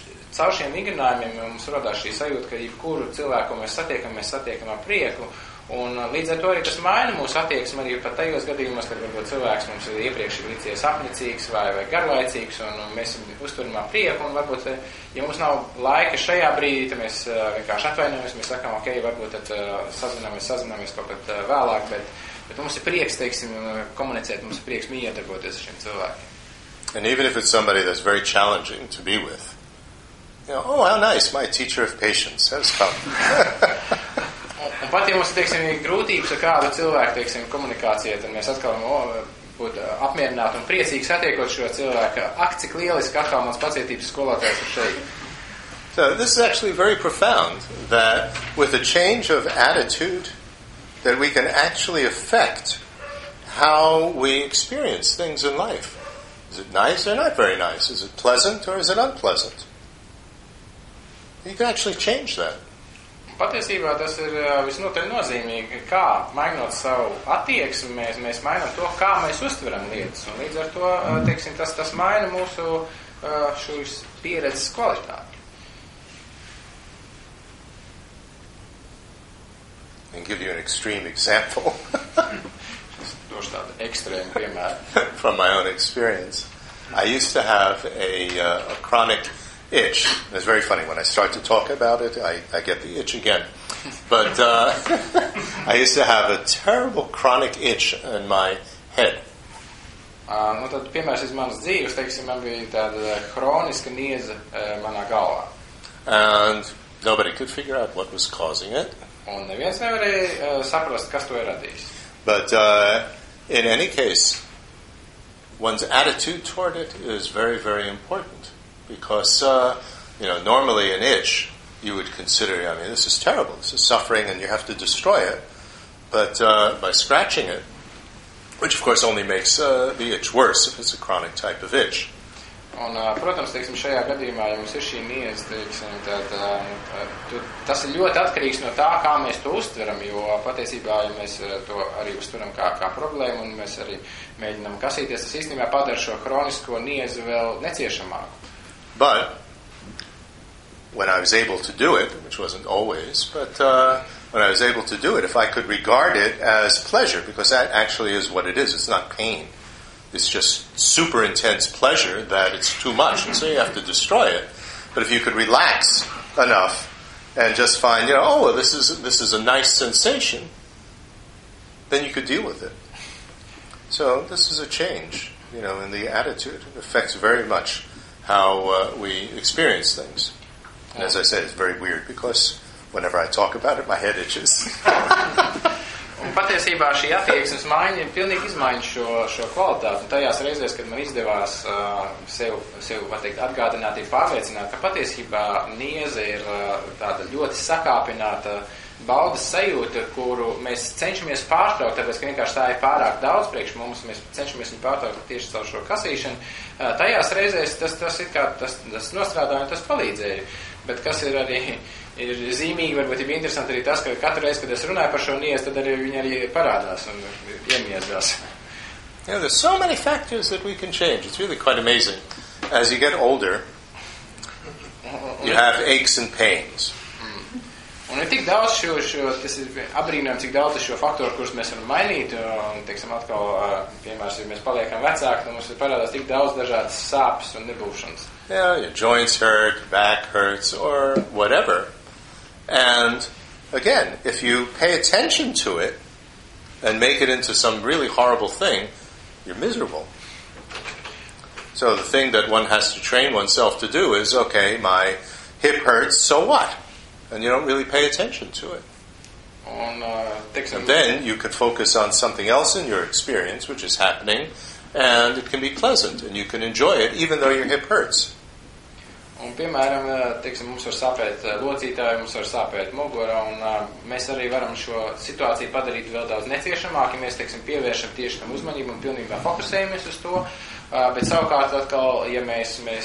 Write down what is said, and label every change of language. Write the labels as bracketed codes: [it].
[lv] Caur šiem vingrinājumiem mums radās šī sajūta, ka jebkuru cilvēku mēs satiekam ar prieku, un līdz ar to arī tas maina mūsu attieksmi arī pat tajos gadījumos, kad varbūt cilvēks mums ir iepriekš ir licies apnicīgs vai garlaicīgs, un mēs uzturam ar prieku, un varbūt, ja mums nav laika šajā brīdī, tad mēs vienkārši atvainojamies, mēs sakām, ok, varbūt tad sazināmies kaut pat vēlāk, bet mums ir prieks, teiksim, komunicēt, mums ir prieks mīļotarboties ar šiem cilvēkiem. [en] And even if it's somebody that's very challenging to be with, you know, oh, how nice, my teacher of patience has come. [lv] Un pat, ja mums, teiksim, ir grūtības ar kādu cilvēku, teiksim, komunikācijai, tad mēs atkal būt apmierināti un priecīgi satiekot šo cilvēku. Ak, cik lieliski atkal mums pacietības skolotājs ir šeit. [en] So, this is actually very profound, that with a change of attitude, that we can actually affect how we experience things in life. Is it nice or not very nice? Is it pleasant or is it unpleasant? You can actually change that. [lv] Patiesībā tas ir visnotaļ nozīmīgi, kā mainot savu attieksmi, mēs mainam to, kā mēs uztveram lietas. Un līdz ar to, teiksim, tas maina mūsu šīs pieredzes kvalitāti. [en] I can give you an extreme example. [lv] Es došu tādu ekstrēmu piemēru. [en] From my own experience. I used to have a chronic itch. It's very funny. When I start to talk about it, I get the itch again. But I used to have a terrible chronic itch in my head. [lv] Nu, tad piemērs iz manas dzīves, teiksim, man bija tāda kroniska nieza manā galvā. [en] And nobody could figure out what was causing it. [lv] Un neviens nevarēja saprast, kas to ir radījis. [en] But in any case, one's attitude toward it is very, very important. Because, you know, normally an itch, you would consider, I mean, this is terrible, this is suffering, and you have to destroy it. But by scratching it, which, of course, only makes the itch worse if it's a chronic type of itch. [lv] Un, protams, teiksim, šajā gadījumā, ja mums ir šī niedze, teiksim, tad tas ir ļoti atkarīgs no tā, kā mēs to uztveram, jo patiesībā, ja mēs to arī uztveram kā problēmu, un mēs arī mēģinām kasīties, tas īstenībā padara šo hronisko niedzi vēl neciešamāku. [en] But when I was able to do it, which wasn't always, but when I was able to do it, if I could regard it as pleasure, because that actually is what it is, it's not pain. It's just super intense pleasure that it's too much, and so you have to destroy it. But if you could relax enough and just find, you know, oh, this is a nice sensation, then you could deal with it. So this is a change, you know, in the attitude. It affects very much how we experience things. And as I said, it's very weird because whenever I talk about it, my head itches. [lv] Un patiesībā šī attieksmes maiņa pilnīgi izmaiņa šo kvalitāti. Un tajās reizēs, kad man izdevās sev var teikt, atgādināt ir pārliecināt, ka patiesībā nieze ir tāda ļoti sakāpināta baudas sajūta, kuru mēs cenšamies pārtraukt, tāpēc, ka vienkārši tā ir pārāk daudz priekš mums, mēs cenšamies viņu pārtraukt tieši caur šo kasīšanu. Tajās reizēs tas ir kā tas nostrādāja un tas palīdzēja. Bet kas ir arī ir zīmīgi, varbūt ir interesanti arī tas, ka katru reizi, kad es runāju par šo niezi, tad arī viņi arī parādās un iemiezdās. [en] You know, there's so many factors that we can change. It's really quite amazing. As you get older, you have aches and pains. [lv] Un ir tik daudz šo tas ir abrīnojami, cik daudz šo faktoru, kurus mēs varam mainīt, un, teiksim, atkal, piemērs, ja mēs paliekam vecāki, tad mums ir parādās tik daudz dažādas sāpes un nebūšanas. [en] Yeah, your joints hurt, your back hurts, or whatever. And, again, if you pay attention to it and make it into some really horrible thing, you're miserable. So the thing that one has to train oneself to do is, okay, my hip hurts, so what? And you don't really pay attention to it. [lv] Un, teiksim, [en] and then you could focus on something else in your experience, which is happening, and it can be pleasant, and you can enjoy it, even though your hip hurts. [lv] Un, piemēram, teiksim, mums var sāpēt locītāji, mums var sāpēt mugura, un mēs arī varam šo situāciju padarīt vēl daudz neciešamāk, ja mēs, teiksim, pievēršam tieši tam uzmanību un pilnībā fokusējamies uz to, bet savukārt atkal, ja mēs